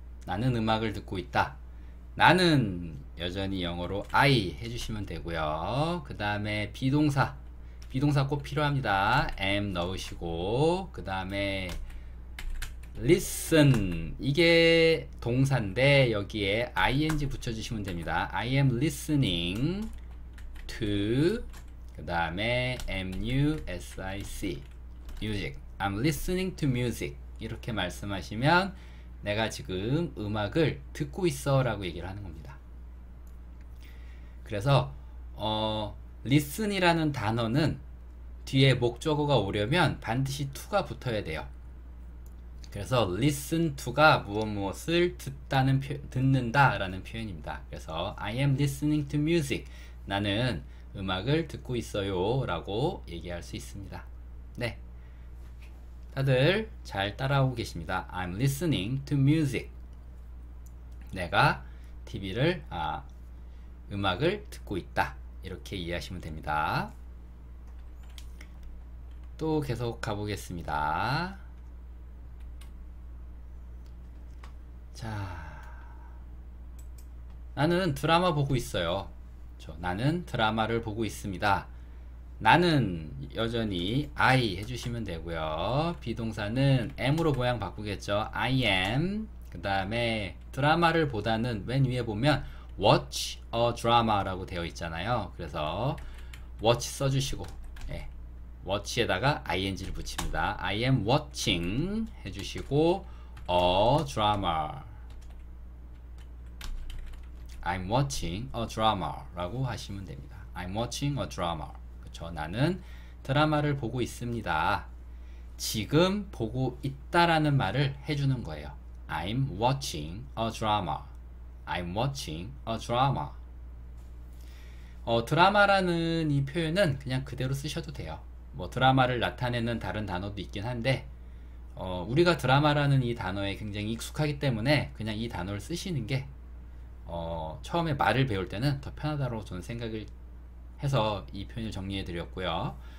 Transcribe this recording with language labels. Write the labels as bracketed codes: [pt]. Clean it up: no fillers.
[ko] 나는 음악을 듣고 있다. 나는 여전히 영어로 I 해주시면 되고요. 그 다음에 비동사. 비동사 꼭 필요합니다. am 넣으시고, 그 다음에 listen. 이게 동사인데, 여기에 ing 붙여주시면 됩니다. [en] I am listening to, 그 다음에 music. Music. I'm listening to music. [ko] 이렇게 말씀하시면 내가 지금 음악을 듣고 있어라고 얘기를 하는 겁니다. 그래서 listen이라는 단어는 뒤에 목적어가 오려면 반드시 to가 붙어야 돼요. 그래서 listen to가 무엇무엇을 듣는다라는 표현입니다. [en] 그래서 I am listening to music. [ko] 나는 음악을 듣고 있어요라고 얘기할 수 있습니다. 네. 다들 잘 따라오고 계십니다. [en] I'm listening to music. [ko] 내가 TV를, 음악을 듣고 있다. 이렇게 이해하시면 됩니다. 또 계속 가보겠습니다. 자, 나는 드라마 보고 있어요. 나는 드라마를 보고 있습니다. 나는 여전히 I 해주시면 되고요. 비동사는 am으로 모양 바꾸겠죠. [en] I am. [ko] 그 다음에 드라마를 보다는 맨 위에 보면 watch a drama 라고 되어 있잖아요. 그래서 watch 써주시고, 예. watch에다가 ing를 붙입니다. [en] I am watching 해주시고, a drama. I'm watching a drama라고 하시면 됩니다. I'm watching a drama. [ko] 저 나는 드라마를 보고 있습니다. 지금 보고 있다라는 말을 해주는 거예요. [en] I'm watching a drama. I'm watching a drama. [ko] 드라마라는 이 표현은 그냥 그대로 쓰셔도 돼요. 뭐 드라마를 나타내는 다른 단어도 있긴 한데, 우리가 드라마라는 이 단어에 굉장히 익숙하기 때문에 그냥 이 단어를 쓰시는 게 처음에 말을 배울 때는 더 편하다고 저는 생각을 해서 이 표현을 정리해 드렸고요.